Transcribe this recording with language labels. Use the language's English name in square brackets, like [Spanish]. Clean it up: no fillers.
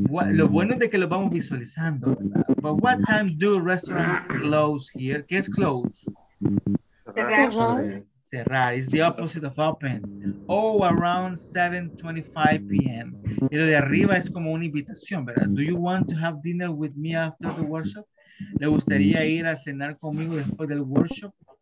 [Spanish] Lo bueno es de que lo vamos visualizando, ¿verdad? [English] But what time do restaurants close here? [Spanish] ¿Qué es close? Cerrar. [English] It's the opposite of open. Oh, around 7:25 p.m. [Spanish] Y lo de arriba es como una invitación, ¿verdad? [English] Do you want to have dinner with me after the workshop? [Spanish] ¿Le gustaría ir a cenar conmigo después del workshop?